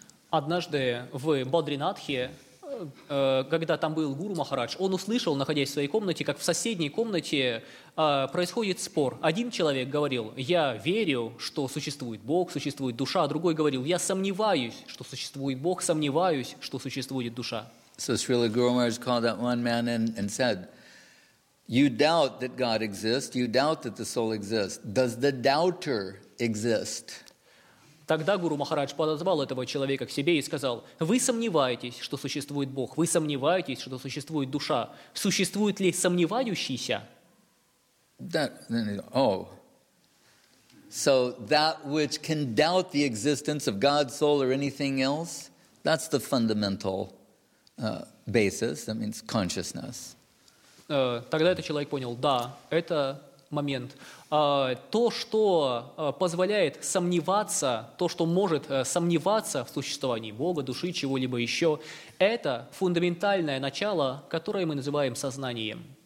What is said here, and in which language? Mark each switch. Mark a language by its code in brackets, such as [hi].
[ru] Однажды в Бадринатхе, когда там был Гуру Махарадж, он услышал, находясь в своей комнате, как в соседней комнате происходит спор. Один человек говорил, я верю, что существует Бог, существует душа, а другой говорил, я сомневаюсь, что существует Бог, сомневаюсь, что существует душа. [en] So Srila Guru Maharaj called that one man in and said, you doubt that God exists, you doubt that the soul exists. Does the doubter exist? [ru] Тогда Гуру Махарадж подозвал этого человека к себе и сказал, вы сомневаетесь, что существует Бог, вы сомневаетесь, что существует душа. Существует ли сомневающийся? [en] That, oh. So that which can doubt the existence of God's soul or anything else, that's the fundamental basis, that means consciousness. [ru] Тогда этот человек понял, да, это момент. То, что позволяет сомневаться, то, что может сомневаться в существовании Бога, души, чего-либо еще, это фундаментальное начало, которое мы называем сознанием.